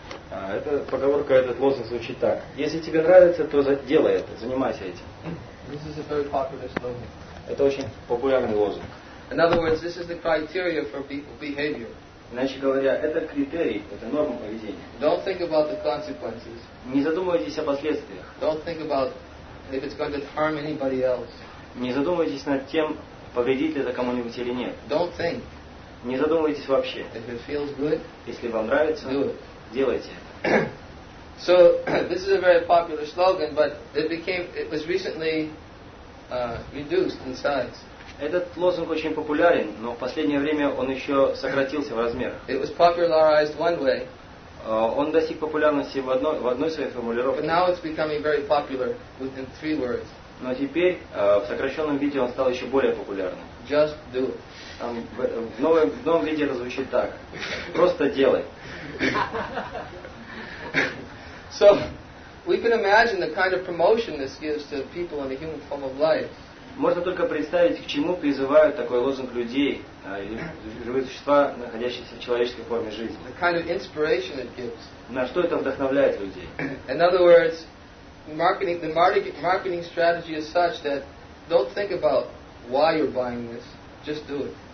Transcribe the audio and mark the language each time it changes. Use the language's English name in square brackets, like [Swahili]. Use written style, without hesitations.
[Russian] Это поговорка, этот лозунг звучит так: если тебе нравится, то делай это, занимайся этим. [English] This is a very popular slogan. [Russian] Это очень популярный лозунг. [English] In other words, this is the criteria for behavior. [Russian] Иначе говоря, это критерий, это норма поведения. [English] Don't think about the consequences. [Russian] Не задумывайтесь о последствиях. [English] Don't think about if it's going to harm anybody else. [Russian] Не задумывайтесь над тем, повредит ли это кому-нибудь или нет. [English] Don't think. [Russian] Не задумывайтесь вообще. [English] If it feels good, [Russian] если вам нравится, [English] do it. [Russian] Делайте это. [English] So, this is a very popular slogan, but it was recently reduced in size. [Russian] Этот лозунг очень популярен, но в последнее время он еще сократился в размерах. [English] It was popularized one way. [Russian] Он достиг популярности в одной своей формулировке. [English] But now it's becoming very popular within three words. [Russian] Но теперь в сокращенном виде он стал еще более популярным. [English] Just do. [Russian] В новом виде это звучит так. Просто делай. [English] So, we can imagine the kind of promotion this gives to people in the human form of life. [Russian] Можно только представить, к чему призывают такой лозунг людей, живые существа, находящиеся в человеческой форме жизни. [English] The kind of inspiration it gives. [Russian] На что это вдохновляет людей? [English] In other words, the marketing strategy is such that don't think about why you're buying this, just do it.